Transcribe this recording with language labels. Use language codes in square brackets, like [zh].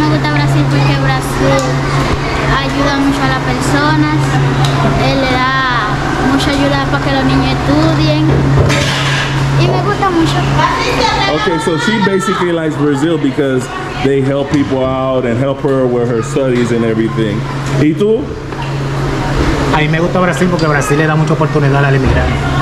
[es] Me gusta Brasil porque Brasil ayuda mucho a las personas. Él le da mucha ayuda para que los niños estudien. Y me gusta mucho. [en] Okay, so she basically likes Brazil because they help people out and help her with her studies and everything. [es] ¿Y tú? A mí me gusta Brasil porque Brasil le da mucha oportunidad al inmigrante.